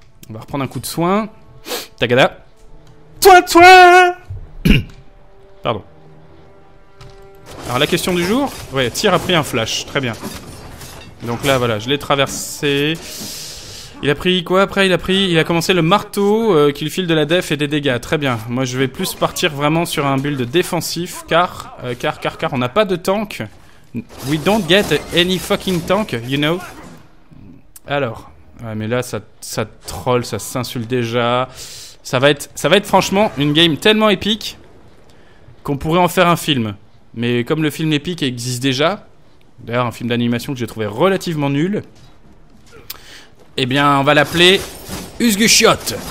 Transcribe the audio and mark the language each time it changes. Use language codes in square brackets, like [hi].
[fr] On va reprendre un coup de soin. Tagada. Soin. Pardon. Alors la question du jour. Ouais, Tyr a pris un flash. Très bien. Donc là, voilà, je l'ai traversé. Il a pris quoi après? Il a commencé le marteau qui lui file de la def et des dégâts. Très bien. Moi, je vais plus partir vraiment sur un build défensif. Car on n'a pas de tank. [en] We don't get any fucking tank, you know. [fr] Alors... Ouais, mais là, ça troll, ça s'insulte déjà. Ça va être franchement une game tellement épique qu'on pourrait en faire un film. Mais comme le film épique existe déjà, d'ailleurs un film d'animation que j'ai trouvé relativement nul, eh bien, on va l'appeler Usgushiot.